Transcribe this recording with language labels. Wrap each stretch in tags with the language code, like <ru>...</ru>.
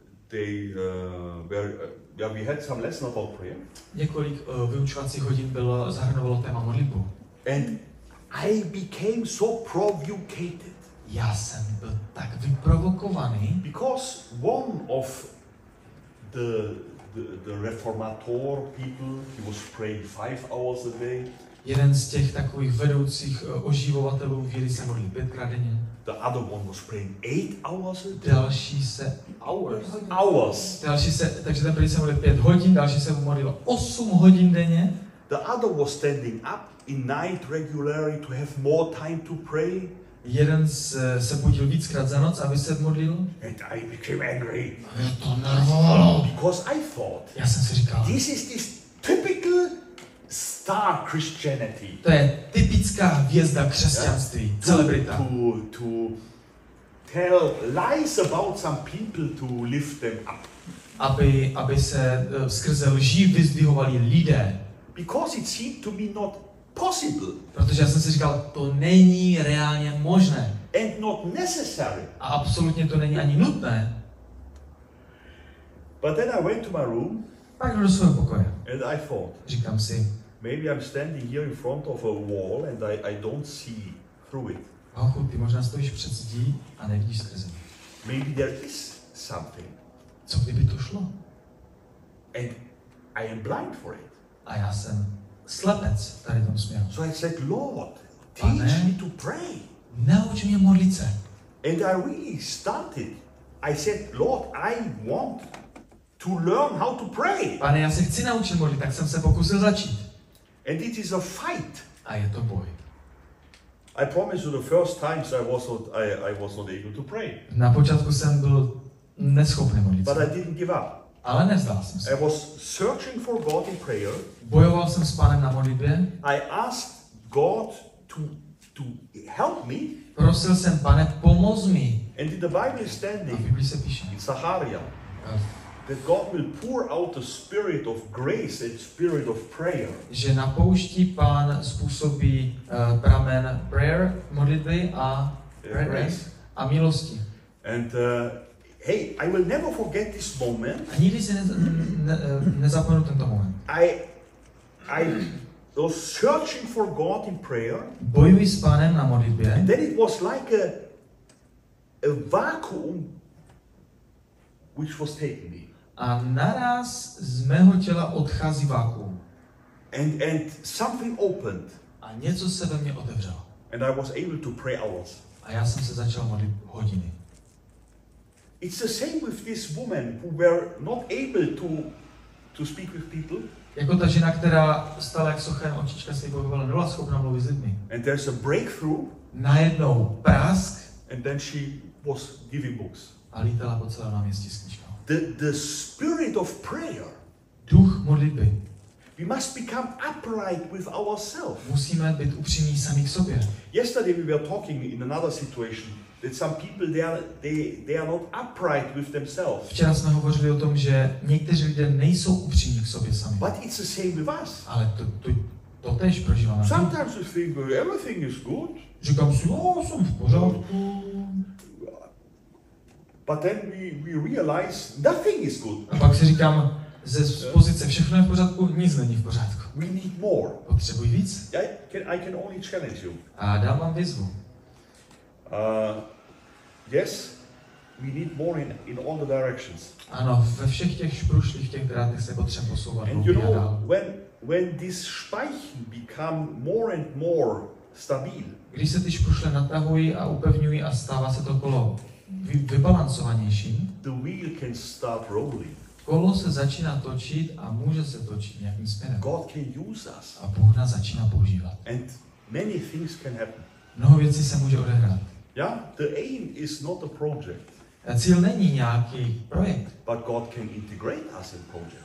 <en>We had some lesson about prayer.</en> <cs>Několik vyučovacích hodin bylo zahrnovalo téma modlitbu.</cs> <en>And I became so provocated.</en> <cs>Já jsem byl tak vyprovokovaný.</cs> <en>Because one of the reformator people, he was praying 5 hours a day.</en> <cs>Jeden z těch takových vedoucích oživovatelů víry se modlil 5krát denně.</cs> <en>The other one was praying 8 hours a day.</en> <cs>Další se hours. Takže ten první se modlil 5 hodin, další se modlil 8 hodin denně.</cs> <en>The other was standing up in night regularly to have more time to pray.</en> <cs>Jeden se budil víckrát za noc, aby se modlil.</cs> <en>And I became angry.</en> <cs>A to nervovalo.</cs> <en>Because I thought.</en> <cs>Já jsem si říkal.</cs> <en>This is this typical star Christianity.</en> <cs>To je typická hvězda křesťanství. Yeah. Celebrita.</cs> <en>To tell lies about some people to lift them up.</en> <cs>Aby se skrze lží vyzdvihovali lidé.</cs> <en>Because it seemed to me not possible.</en> <cs>Protože já jsem si říkal, to není reálně možné.</cs> <en>And not necessary.</en> <cs>A absolutně to není ani nutné.</cs> <en>But then I went to my room.</en> <cs>Pak jdu do svého pokoje.</cs> <en>And I thought.</en> <cs>Říkám si.</cs> <en>Maybe I'm standing here in front of a wall and I don't see through it.</en> <cs>Hochu, ty možná stojíš před zdí a nevidíš skrze.</cs> <en>Maybe there is something.</en> <cs>Co kdyby to šlo?</cs> <en>And I am blind for it.</en> <cs>A já jsem slepec tady v tom směru.</cs> <en>So I said, Lord, teach me to pray.</en> <cs>Nauč mě modlit se.</cs> <en>And I really started. I said, Lord, I want to learn how to pray.</en> <cs>Pane, já se chci naučit modlit, tak jsem se pokusil začít.</cs> <en>And it is a fight.</en> <cs>A je to boj.</cs> <en>I promise you, the first times I was not able to pray.</en> <cs>Na počátku jsem byl neschopný modlit se.</cs> <en>But I didn't give up.</en> <cs>Ale nevzdal jsem se.</cs> <en>I was searching for God in prayer.</en> <cs>Bojoval jsem s Pánem na modlitbě.</cs> <en>I asked God to help me.</en> <cs>Prosil jsem Pane, pomoz mi.</cs> <en>And in the Bible standing.</en> <cs>A v Biblii se píše.</cs> <en>In Zacharia. That God will pour out the spirit of grace and spirit of prayer.</en> <cs>Že na poušti Pán způsobí pramen prayer, modlitby a</cs> <en>grace</en> <cs>a milosti.</cs> <en>And I will never forget this moment.</en> <cs>A nikdy se nezapomenu tento moment.</cs> <en>I was searching for God in prayer.</en> <cs>Bojuji s Pánem na modlitbě.</cs> <en>And then it was like a vacuum which was taking me.</en> <cs>A naraz z mého těla odchází vakuum.</cs> <en>And something opened.</en> <cs>A něco se ve mně otevřelo.</cs> <en>And I was able to pray hours.</en> <cs>A já jsem se začal modlit hodiny.</cs> <en>It's the same with this woman who were not able to speak with people.</en> <cs>Jako ta žena, která stala jak sochem, očička se jí pohybovala, nebyla schopna mluvit s lidmi.</cs> <en>And there's a breakthrough.</en> <cs>Najednou prásk.</cs> <en>And then she was giving books.</en> <cs>A lítala po celém náměstí s knížkou.</cs> <en>The spirit of prayer.</en> <cs>Duch modlitby.</cs> <en>We must become upright with ourselves.</en> <cs>Musíme být upřímní sami k sobě.</cs> <en>Yesterday we were talking in another situation. That some people they are not upright with themselves.</en> <cs>Včera jsme hovořili o tom, že někteří lidé nejsou upřímní k sobě sami.</cs> <en>But it's the same with us.</en> <cs>Ale to též prožíváme.</cs> <en>Sometimes we think everything is good.</en> <cs>Říkám si, jsem v pořádku.</cs> <en>But then we realize nothing is good.</en> <cs>A pak si říkám, ze pozice všechno je v pořádku, nic není v pořádku.</cs> <en>We need more.</en> <cs>Potřebuji víc.</cs> <en>I can only challenge you.</en> <cs>A dám vám výzvu.</cs> <en>Yes, we need more in all the directions.</en> <cs>Ano, ve všech těch šprušlích, těch drátech se potřebujeme posouvat.</cs> <en>And you know, when when these Speichen become more and more stabil.</en> <cs>Když se ty špušle natahují a upevňují a stává se to kolo vybalancovanější,</cs> <en>the wheel can start rolling.</en> <cs>Kolo se začíná točit a může se točit nějakým směrem.</cs> <en>God can use us.</en> <cs>A Bůh nás začíná používat.</cs> <en>And many things can happen.</en> <cs>Mnoho věcí se může odehrát.</cs> <en>Yeah? The aim is not a project.</en> <cs>A cíl není nějaký projekt.</cs> <en>But God can integrate us in projects.</en>